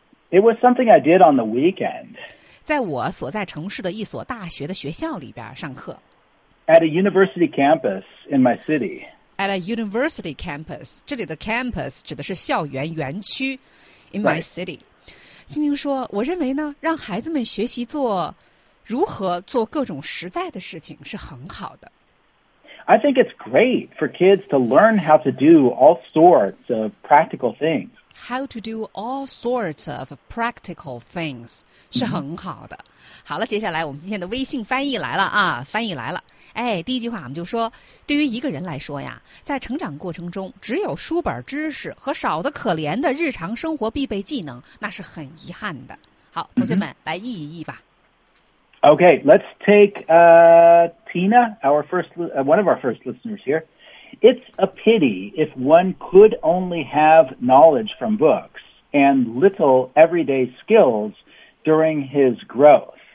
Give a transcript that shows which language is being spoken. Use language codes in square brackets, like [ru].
[en] it was something I did on the weekend [zh] 在我所在城市的一所大学的学校里边上课 [en] At a university campus in my city. At a university campus. [zh] 这里的 [en] campus [zh] 指的是校园园区 [en] in my city. [zh] 金宁说我认为呢让孩子们学习做如何做各种实在的事情是很好的。 [en] I think it's great for kids to learn how to do all sorts of practical things. How to do all sorts of practical things [zh] 是很好的。 [en] Mm-hmm. [zh] 好了接下来我们今天的微信翻译来了啊翻译来了。哎，第一句话我们就说，对于一个人来说呀，在成长过程中，只有书本知识和少得可怜的日常生活必备技能，那是很遗憾的。好，同学们、mm-hmm. 来译一译吧。 [en] Okay, let's take Tina, one of our first listeners here. It's a pity if one could only have knowledge from books and little everyday skills during his growth.